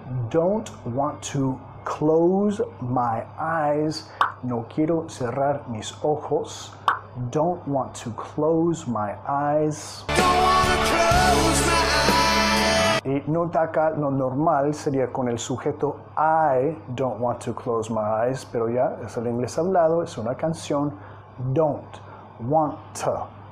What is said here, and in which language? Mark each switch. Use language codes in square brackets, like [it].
[en] Don't want to close my eyes. [es] No quiero cerrar mis ojos. [en] Don't want to close my eyes. Don't want to close my eyes. [es] Y nota acá, lo normal sería con el sujeto [en] I don't want to close my eyes, [es] pero ya es el inglés hablado, es una canción. [en] Don't want to.